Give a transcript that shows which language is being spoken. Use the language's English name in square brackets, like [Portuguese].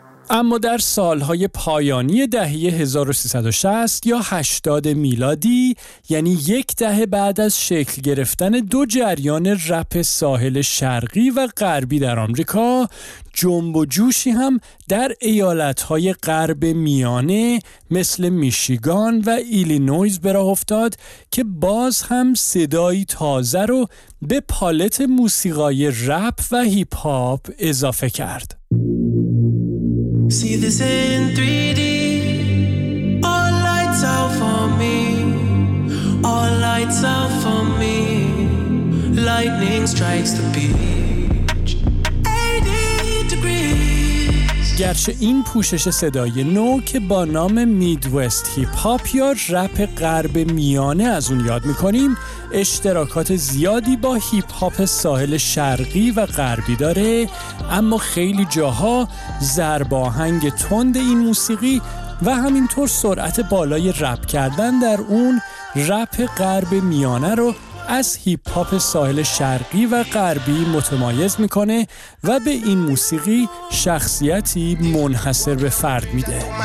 [Persian] اما در سالهای پایانی دهه 1360 یا 80 میلادی، یعنی یک دهه بعد از شکل گرفتن دو جریان رپ ساحل شرقی و غربی در آمریکا، جنب و جوشی هم در ایالت‌های غرب میانه مثل میشیگان و ایلینویز به راه افتاد که باز هم صدایی تازه رو به پالت موسیقای رپ و هیپ هاپ اضافه کرد. [English] See this in 3D, all lights out for me, all lights out for me, lightning strikes the beach, 80 degrees. [Persian] گرچه این پوشش صدای نو که با نام میدوست هیپ هاپ یا رپ غرب میانه از اون یاد میکنیم، اشتراکات زیادی با هیپ هاپ ساحل شرقی و غربی داره، اما خیلی جاها ضرب آهنگ تند این موسیقی و همینطور سرعت بالای رپ کردن در اون، رپ غرب میانه رو از هیپ هاپ ساحل شرقی و غربی متمایز میکنه و به این موسیقی شخصیتی منحصر به فرد میده.